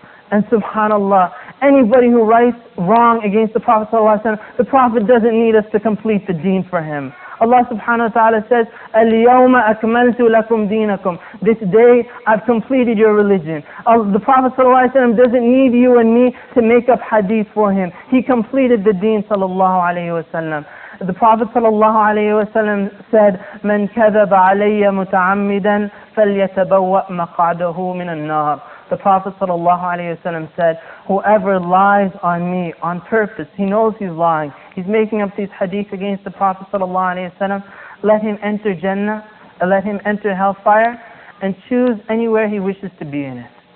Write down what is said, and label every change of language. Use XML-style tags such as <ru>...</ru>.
<en>And subhanAllah, anybody who writes wrong against the Prophet ﷺ, the Prophet doesn't need us to complete the deen for him. Allah subhanahu wa ta'ala says,</en> <ar>اليوم أكملت لكم دينكم.</ar> <en>This day I've completed your religion. The Prophet ﷺ doesn't need you and me to make up hadith for him. He completed the deen sallallahu alayhi wa sallam. The Prophet sallallahu alayhi wa sallam said,</en> <ar>من كذب علي متعمدا فليتبوأ مقعده من النار.</ar> <en>The Prophet sallallahu alayhi wa sallam said, whoever lies on me on purpose, he knows he's lying, he's making up these hadith against the Prophet sallallahu alayhi wa sallam, let him enter Jannah, let him enter hellfire, and choose anywhere he wishes to be in it.</en>